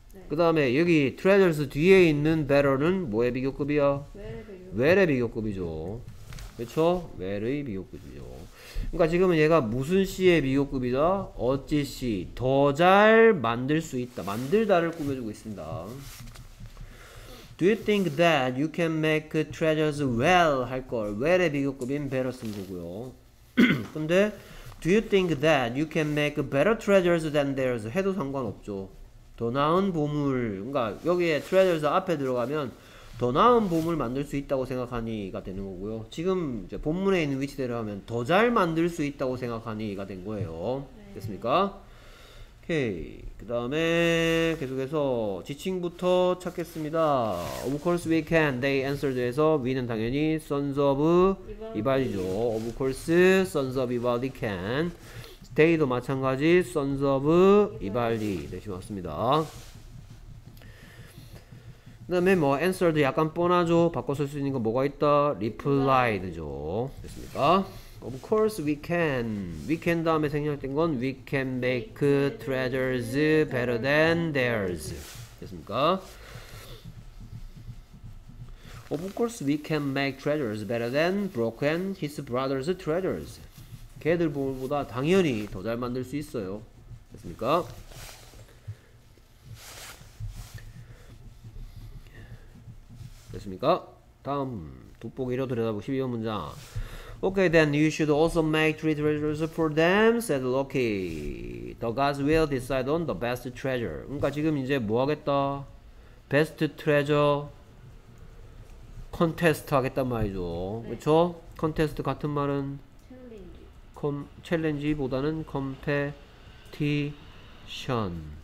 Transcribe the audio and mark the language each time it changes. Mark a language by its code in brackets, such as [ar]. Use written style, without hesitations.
[ko] 그 다음에 여기 treasures 뒤에 있는 barrel은 뭐의 비교급이야? well의 비교급이죠. 그쵸? well의 비교급이죠. 그러니까 지금은 얘가 무슨 씨의 비교급이다? 어찌 씨 더 잘 만들 수 있다. 만들다를 꾸며주고 있습니다. [en] Do you think that you can make treasures well [ko] 할 걸 well의 비교급인 better 쓴 거고요. 근데 [en] Do you think that you can make better treasures than theirs [ko] 해도 상관없죠. 더 나은 보물, 그러니까 여기에 treasures 앞에 들어가면 더 나은 보물 만들 수 있다고 생각하니가 되는 거고요. 지금 이제 본문에 있는 위치대로 하면 더 잘 만들 수 있다고 생각하니가 된 거예요. 됐습니까? 오케이. 그 다음에 계속해서 지칭부터 찾겠습니다. [en] Of course we can. They answered [ko] 해서 [en] we는 [ko] 당연히 [en] sons of Ivaldi죠. Of course sons of Ivaldi can. Stay도 [ko] 마찬가지 [en] sons of Ivaldi [ko] 대신 왔습니다. 그다음에 뭐 answer도 약간 뻔하죠. 바꿔 쓸수 있는 거 뭐가 있다? [en] reply죠. [ko] 됐습니까? [en] Of course we can. We can [ko] 다음에 생략된 건 [en] we can make treasures better than theirs. [ko] 됐습니까? [en] Of course we can make treasures better than Brooke and his brother's treasures. [ko] 걔들보다 당연히 더 잘 만들 수 있어요. 됐습니까? 됐습니까? 다음 돋보기로 들여다보기 12번 문장. [en] Okay, then you should also make three treasures for them, said Loki. The gods will decide on the best treasure. [ko] 그러니까 지금 이제 뭐 하겠다? Best treasure 컨테스트 하겠단 말이죠. 네. 그렇죠? 컨테스트 같은 말은 챌린지. 챌린지보다는 컴페티션.